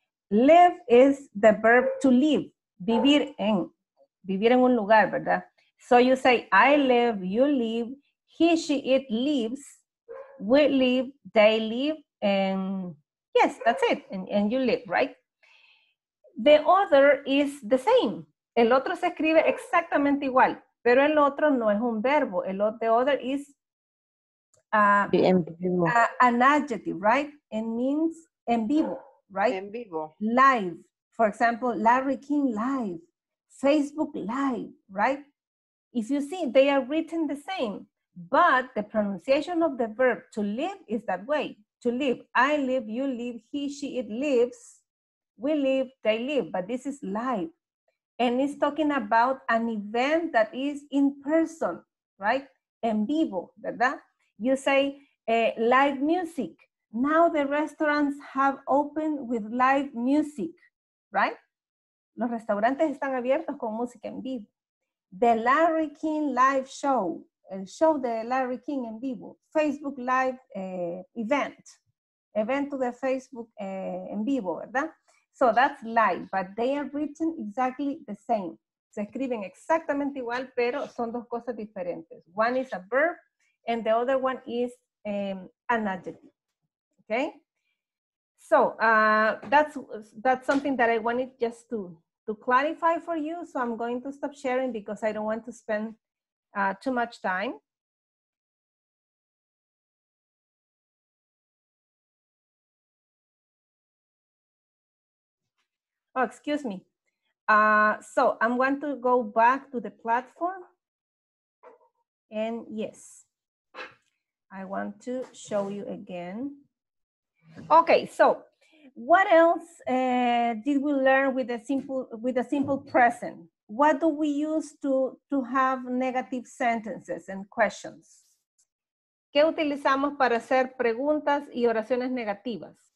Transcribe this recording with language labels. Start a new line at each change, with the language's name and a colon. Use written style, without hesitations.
English: Live is the verb to live.
Spanish: Vivir en. Vivir en un lugar, ¿verdad?
English: So you say, I live, you live, he, she, it lives, we live, they live, and yes, that's it. And you live, right? The other is the same.
Spanish: El otro se escribe exactamente igual, pero el otro no es un verbo.
English: The other is an adjective, right? It means
Spanish: en vivo,
English: right?
Spanish: En vivo.
English: Live. For example, Larry King live. Facebook live, right? If you see, they are written the same, but the pronunciation of the verb to live is that way. To live. I live, you live, he, she, it lives. We live, they live, but this is live. And it's talking about an event that is in person, right?
Spanish: En vivo, ¿verdad?
English: You say live music. Now the restaurants have opened with live music, right?
Spanish: Los restaurantes están abiertos con música en vivo.
English: The Larry King live show.
Spanish: El show de Larry King en vivo.
English: Facebook live event.
Spanish: Evento de Facebook en vivo, ¿verdad?
English: So that's live, but they are written exactly the same.
Spanish: Se escriben exactamente igual, pero son dos cosas diferentes.
English: One is a verb and the other one is an adjective. Okay? So that's something that I wanted just to clarify for you. So I'm going to stop sharing because I don't want to spend too much time. Oh, excuse me. So I'm going to go back to the platform. And yes, I want to show you again. Okay, so what else did we learn with a simple present? What do we use to have negative sentences and questions?
Spanish: ¿Qué utilizamos para hacer preguntas y oraciones negativas?